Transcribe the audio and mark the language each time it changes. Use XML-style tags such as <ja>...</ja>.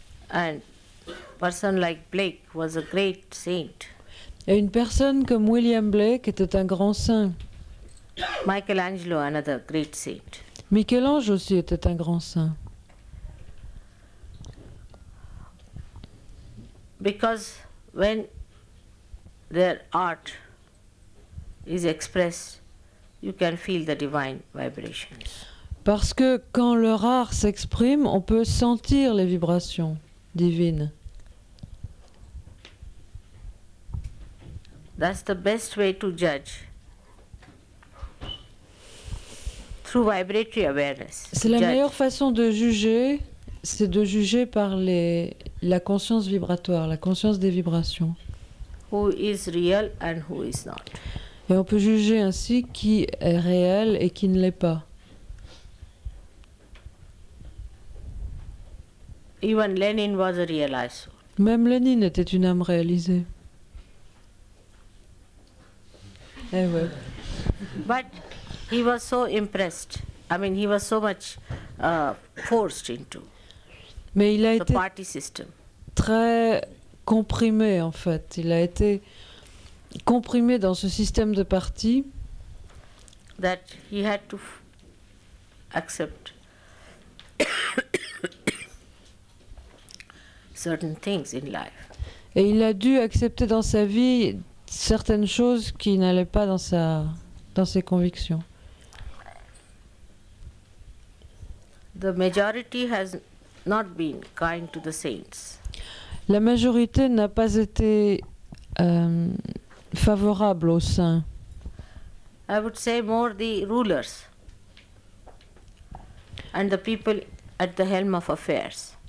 <en>And a person like Blake was a great saint.</en> <fr>Et une personne comme William Blake était un grand saint.</fr> <en>Michelangelo, another great saint.</en> <fr>Michel-Ange aussi était un grand saint.</fr> <en>Because when their art is expressed, you can feel the divine vibrations.</en> <fr>Parce que quand leur art s'exprime, on peut sentir les vibrations divines.</fr> <en>That's the best way to judge. Through vibratory awareness.</en> <fr>C'est la meilleure façon de juger, c'est de juger par la conscience vibratoire, la conscience des vibrations.</fr> <en>Who is real and who is not.</en> <fr>Et on peut juger ainsi qui est réel et qui ne l'est pas.</fr> <en>Even Lenin was a realized soul.</en> <fr>Même Lenin était une âme réalisée. Eh ouais.</fr> <en>But he was so impressed. I mean, he was so much forced into.</en> <fr>Mais il a été</fr> <en>party system.</en> <fr>Très comprimé en fait. Il a été comprimé dans ce système de parti.</fr> <en>That he had to accept certain things in life.</en> <fr>Et il a dû accepter dans sa vie certaines choses qui n'allaient pas dans ses convictions.</fr> <en>The majority has not been kind to the saints.</en> <fr>La majorité n'a pas été favorable aux saints.</fr> <en>I would say more the rulers and the people at the helm of affairs.</en>